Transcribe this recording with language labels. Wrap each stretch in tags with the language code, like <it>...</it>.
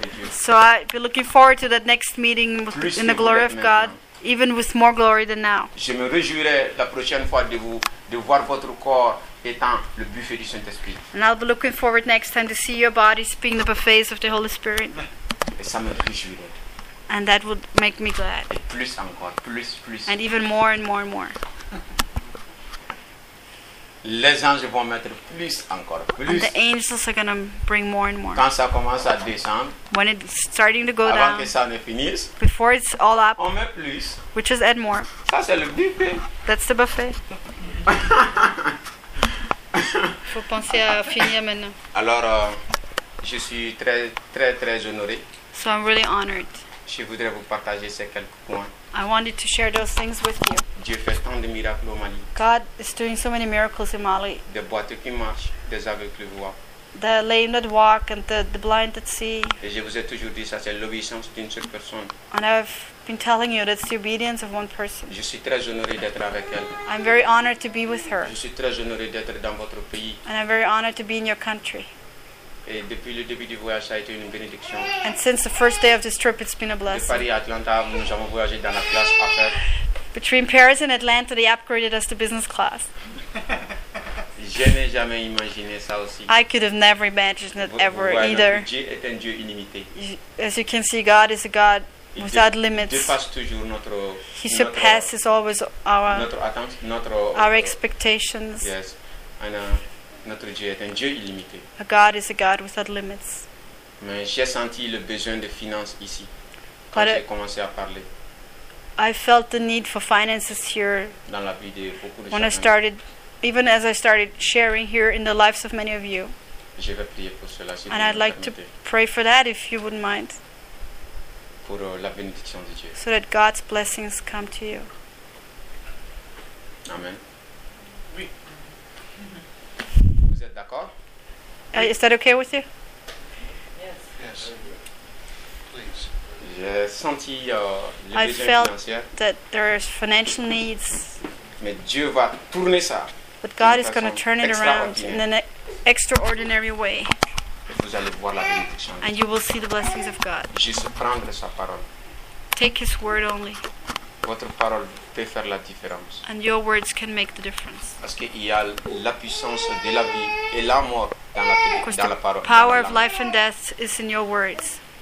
<en>So I'll be looking forward to that next meeting in the glory of God. Even with more glory than now.</en> <fr>Je me réjouirai la prochaine fois de vous de voir votre corps étant le buffet du Saint-Esprit.</fr> <en>And I'll be looking forward next time to see your bodies being the buffets of the Holy Spirit.</en> <fr>Et ça me réjouirait.</fr> <en>And that would make me glad.</en> <fr>Et plus encore, plus.</fr> <en>And even more and more and more.</en> <fr>les anges vont mettre plus encore plus.</fr> <en>And the angels are gonna bring more and more.</en> <fr>Quand ça commence à descendre,</fr> <en>when it's starting to go</en> <fr>avant</fr> <en>down,</en> <fr>que ça ne finisse,</fr> <en>before it's all up,</en> <fr>on met plus.</fr> <en>We just add more.</en> <fr>Ça c'est le buffet.</fr> <en>That's the buffet.</en> <fr>Faut penser à finir maintenant. Alors, je suis très très très honoré.</fr> <en>So I'm really honored.</en> <fr>Je voudrais vous partager ces quelques points.</fr> <en>I wanted to share those things with you.</en> <fr>Dieu fait tant de miracles au Mali.</fr> <en>God is doing so many miracles in Mali.</en> <fr>Des boiteux qui marchent, des aveugles qui voient.</fr> <en>The lame that walk and the blind that see.</en> <fr>Et je vous ai toujours dit ça, c'est l'obéissance d'une seule personne.</fr> <en>And I've been telling you that's the obedience of one person.</en> <fr>Je suis très honoré d'être avec elle.</fr> <en>I'm very honored to be with her.</en> <fr>Je suis très honoré d'être dans votre pays.</fr> <en>And I'm very honored to be in your country.</en> <fr>Et depuis le début du voyage, ça a été une bénédiction.</fr> <en>And since the first day of this trip, it's been a blessing.</en> <fr>De Paris à Atlanta, nous avons voyagé dans la classe affaires.</fr> <en>Between Paris and Atlanta, they upgraded us to business class.</en> <fr>Je n'ai jamais imaginé ça aussi.</fr> <en>I could have never imagined that ever either.</en> <fr>Dieu est un Dieu illimité.</fr> <en>As you can see, God is a God without limits.</en> <fr>Dieu passe toujours notre.</fr> <en>He surpasses always our.</en> <fr>Notre attente, notre.</fr> <en>Our expectations. Yes, and.</en> <fr>Notre Dieu est un Dieu illimité.</fr> <en>A God is a God without limits.</en> <fr>Mais j'ai senti le besoin de finances ici quand j'ai commencé à parler.</fr> <en>I felt the need for finances here.</en> <fr>Dans la vie de beaucoup de gens.</fr> <en>When I started, even as I started sharing here in the lives of many of you.</en> <fr>Je vais prier pour cela, si vous</fr> <en>And I'd like</en> <fr>permettez.</fr> <en>To pray for that if you wouldn't mind.</en> <fr>Pour la bénédiction de Dieu.</fr> <en>So that God's blessings come to you.</en> <fr>Amen. Oui. D'accord.</fr> <en>Is that okay with you? Yes. Yes. Please.</en> <fr>J'ai senti le besoin financier.</fr> <en>I felt that there's financial needs.</en> <fr>Mais Dieu va tourner ça.</fr> <en>But God is going to turn it around in an extraordinary way.</en> <fr>Et vous allez voir la bénédiction.</fr> <en>And you will see the blessings of God.</en> <fr>Juste prendre sa parole.</fr> <en>Take His word only.</en> <fr>Votre parole peut faire la différence.</fr> <en>And your words can make the difference.</en> <fr>Parce qu'il y a la puissance de la vie et la mort dans la parole. Dans</fr> <en>the</en> <fr>la parole,</fr> <en>power</en> <fr>dans</fr> <en>of life and death is in your words.</en>